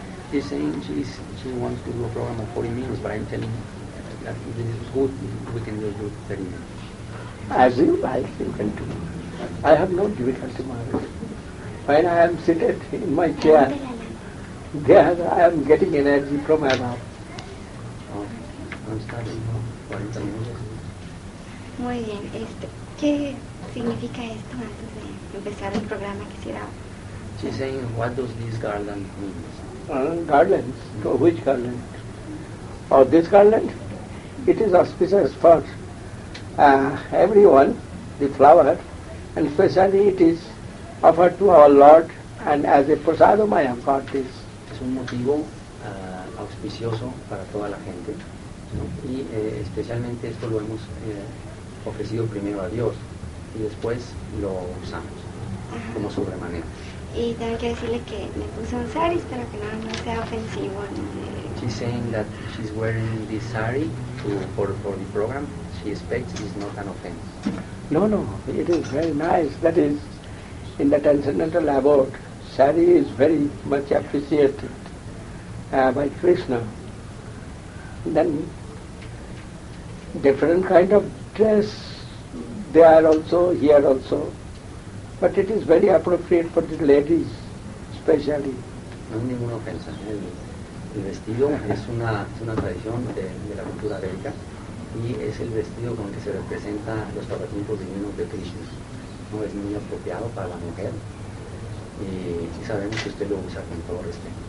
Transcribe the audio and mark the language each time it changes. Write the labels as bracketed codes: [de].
[en] He's saying she wants to do a program of 40 minutes, but I'm telling that this is good, we can just do 30 minutes. As you like, you can do. I have no difficulty, Maharaj. When I am seated in my chair, there I am getting energy from above. Oh, I'm starting 40 minutes. [es] Muy bien, ¿qué significa esto antes de empezar el programa que será? [en] She's saying, what does this garland mean? Garland? So which garland? Oh, this garland? It is auspicious for everyone, the flower, and especially it is offered to our Lord, and as a prasadam I have got this. [es] Es un motivo auspicioso para toda la gente, ¿no? Y especialmente esto lo hemos ofrecido primero a Dios, y después lo usamos, ajá, como su remanente. Y también quiero decirle que me puse un sari, espero que no sea ofensivo. [en] She's saying that she's wearing this sari for the program. She expects it's not an offense. No, it is very nice. That is, in the transcendental abode, sari is very much appreciated by Krishna. Then, different kind of dress, they are also here also, but it is very appropriate for the ladies, especially. [es] No es ninguna ofensa. El vestido es una tradición de la cultura védica y es el vestido con el que se representa los paratiempos divinos de Krishna. No es muy apropiado para la mujer y sabemos que usted lo usa con todo respeto.